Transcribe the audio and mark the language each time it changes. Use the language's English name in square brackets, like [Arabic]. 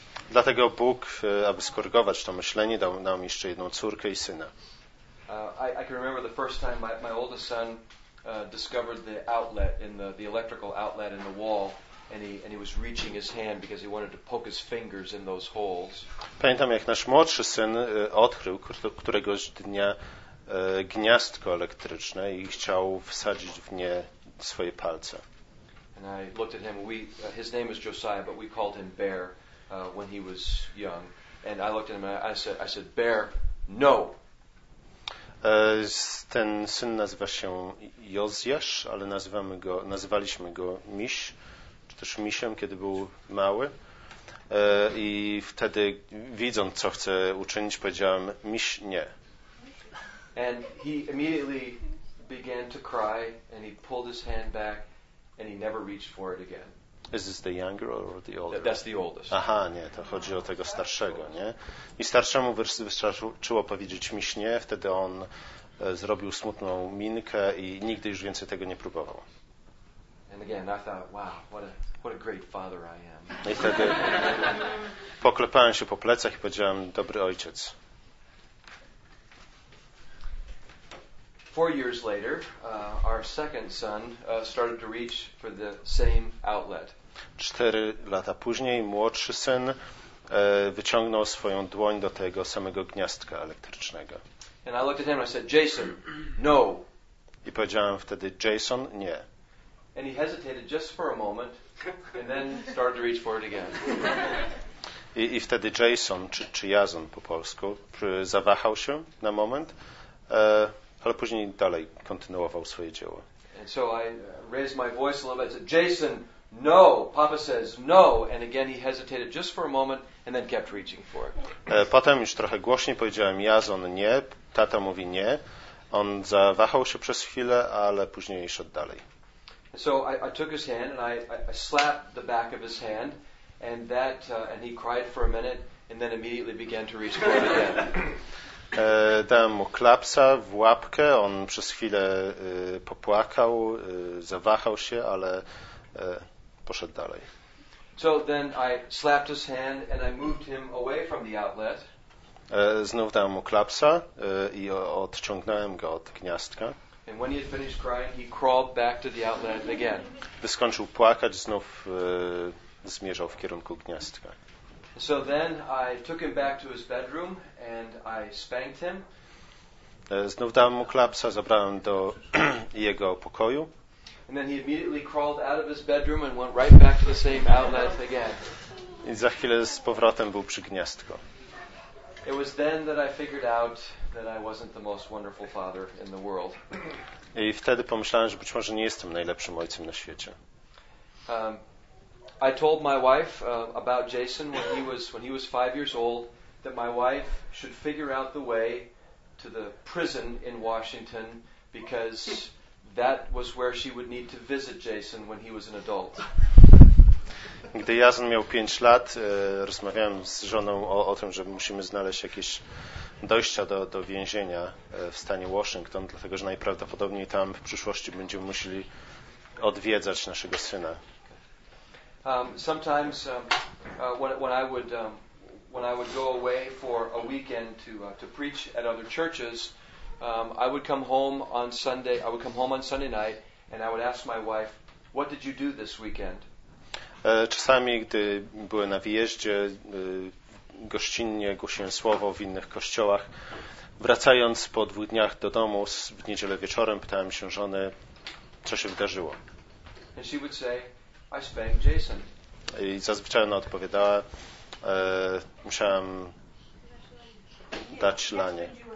[Polish] Dlatego Bóg, aby skorygować to myślenie, dał nam jeszcze jedną córkę i syna. [English] I can remember the first time my oldest son discovered the outlet in the electrical outlet in the wall. And he was reaching his hand because he wanted to poke his fingers in those holes. [Polish] Pamiętam, jak nasz młodszy syn odkrył któregoś dnia gniazdko elektryczne i chciał wsadzić w nie swoje palce. [English] And I looked at him. His name is Josiah, but we called him Bear when he was young. And I looked at him and I said, "Bear, no." [Polish] Ten syn nazywa się Jozjasz, ale nazywaliśmy go Miś, czy też Misiem, kiedy był mały. I wtedy, widząc, co chce uczynić, powiedziałem: Miś, nie. [English] And he immediately began to cry, and he pulled his hand back, and he never reached for it again. Is this the younger or the older? That's the oldest. [Polish] Aha, nie, to chodzi o tego starszego, nie? I starszemu wystarczyło powiedzieć miś nie, wtedy on zrobił smutną minkę i nigdy już więcej tego nie próbował. [English] And again, I thought, wow, what a great father I am. [Polish] I wtedy poklepałem się po plecach i powiedziałem: dobry ojciec. [English] 4 years later, our second son started to reach for the same outlet. [Polish] 4 lata później młodszy syn wyciągnął swoją dłoń do tego samego gniazdka elektrycznego. [English] And I looked at him and I said, Jason, no. [Polish] I powiedziałem wtedy: Jason, nie. [English] And he hesitated just for a moment and then started to reach for it again. [Polish] I wtedy Jason, czy Jason po polsku, zawahał się na moment, ale później dalej kontynuował swoje dzieło. [English] And so I raised my voice a little bit and said, Jason, no, Papa says no. And again he hesitated just for a moment and then kept reaching for it. [Polish] Potem już trochę głośniej powiedziałem: Jason, nie. Tata mówi nie. On zawahał się przez chwilę, ale później szedł dalej. [English] And so I took his hand and I slapped the back of his hand and that and he cried for a minute and then immediately began to reach for it again. [Polish] Dałem mu klapsa w łapkę, on przez chwilę popłakał, zawahał się, ale poszedł dalej. [English] So then I slapped his hand and I moved him away from the outlet. [Polish] Znów dałem mu klapsa i odciągnąłem go od gniazdka. [English] And when he had finished crying, he crawled back to the outlet again. [Polish] Gdy skończył płakać, znów zmierzał w kierunku gniazdka. [English] So then I took him back to his bedroom and I spanked him. [Polish] Znów dałem mu klapsa, zabrałem do jego pokoju. [English] And then he immediately crawled out of his bedroom and went right back to the same outlet again. [Polish] I za chwilę z powrotem był przy gniazdku. [English] It was then that I figured out that I wasn't the most wonderful father in the world. [Polish] I wtedy pomyślałem, że być może nie jestem najlepszym ojcem na świecie. [English] I told my wife about Jason when he was 5 years old that my wife should figure out the way to the prison in Washington because that was where she would need to visit Jason when he was an adult. [Polish] Gdy Jason miał 5 lat, rozmawiałem z żoną o tym, że musimy znaleźć jakieś dojścia do więzienia w stanie Washington, dlatego że najprawdopodobniej tam w przyszłości będziemy musieli odwiedzać naszego syna. [English] Sometimes when I would go away for a weekend to preach at other churches, I would come home on Sunday night and I would ask my wife, what did you do this weekend? [Polish] Czasami gdy byłem na wyjeździe, gościnnie głosiłem słowo w innych kościołach, wracając po 2 dniach do domu w niedzielę wieczorem, pytałem się żony, co się wydarzyło. [English] And she would say, I spanked Jason. [Polish] I zazwyczaj ona odpowiadała, musiałem dać lanie.